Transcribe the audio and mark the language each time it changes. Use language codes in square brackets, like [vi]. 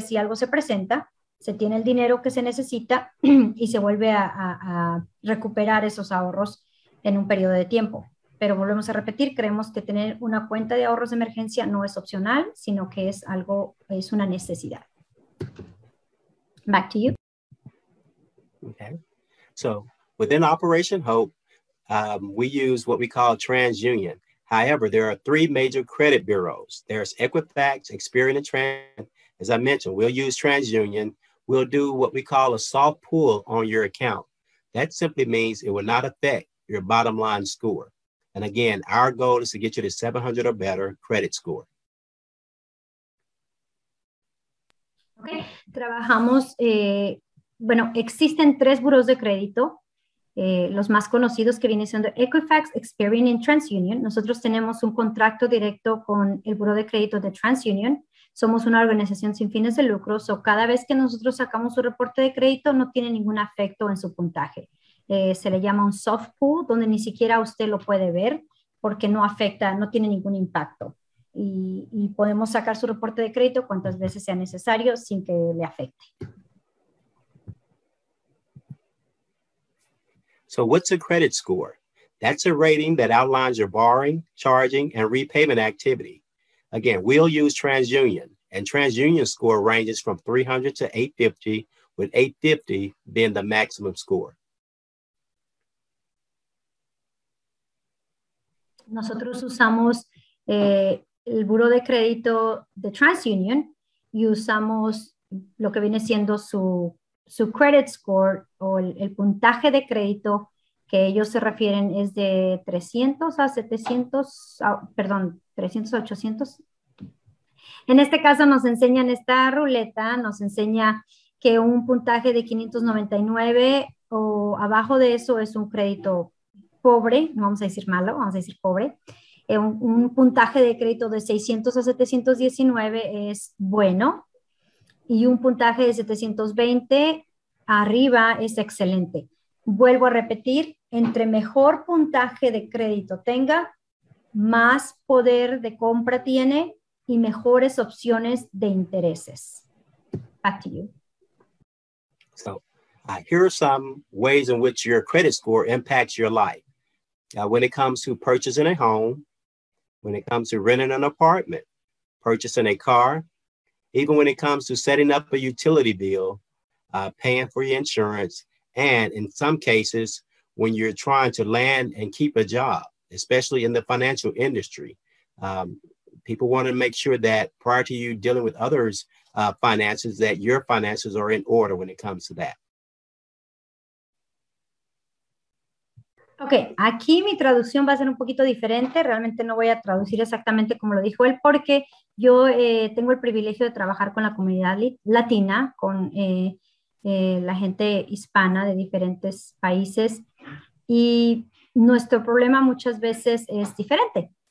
[es] Si algo se presenta, se tiene el dinero que se necesita y se vuelve a recuperar esos ahorros en un periodo de tiempo. Pero volvemos a repetir, creemos que tener una cuenta de ahorros de emergencia no es opcional, sino que es una necesidad. [en] Back to you. Okay. So, within Operation Hope, we use what we call TransUnion. However, there are three major credit bureaus. There's Equifax, Experian, and Transunion. As I mentioned, we'll use TransUnion. we'll do what we call a soft pull on your account. That simply means it will not affect your bottom line score. And again, our goal is to get you to 700 or better credit score. [es] Okay, trabajamos, bueno, existen tres buros de crédito. Los más conocidos que vienen siendo Equifax, Experian y TransUnion. Nosotros tenemos un contrato directo con el buró de crédito de TransUnion. Somos una organización sin fines de lucro, so cada vez que nosotros sacamos un reporte de crédito no tiene ningún efecto en su puntaje. Se le llama un soft pull, donde ni siquiera usted lo puede ver porque no afecta, no tiene ningún impacto. Y podemos sacar su reporte de crédito cuantas veces sea necesario sin que le afecte. [en] So what's a credit score? That's a rating that outlines your borrowing, charging, and repayment activity. Again, we'll use TransUnion, and TransUnion score ranges from 300 to 850, with 850 being the maximum score. [es] Nosotros usamos el buró de crédito de TransUnion y usamos lo que viene siendo su credit score o el puntaje de crédito que ellos se refieren es de 300 a 700, perdón, 300 a 800. En este caso nos enseñan esta ruleta, nos enseña que un puntaje de 599 o abajo de eso es un crédito pobre, no vamos a decir malo, vamos a decir pobre. Un puntaje de crédito de 600 a 719 es bueno y un puntaje de 720 arriba es excelente. Vuelvo a repetir, entre mejor puntaje de crédito tenga, más poder de compra tiene y mejores opciones de intereses. [en] Back to you. So, here are some ways in which your credit score impacts your life. When it comes to purchasing a home, when it comes to renting an apartment, purchasing a car, even when it comes to setting up a utility bill, paying for your insurance, and in some cases, when you're trying to land and keep a job, especially in the financial industry. People want to make sure that prior to you dealing with others' finances, that your finances are in order when it comes to that. [es] Ok, aquí mi traducción va a ser un poquito diferente. Realmente no voy a traducir exactamente como lo dijo él porque yo tengo el privilegio de trabajar con la comunidad latina, con la gente hispana de diferentes países y nuestro problema muchas veces es diferente.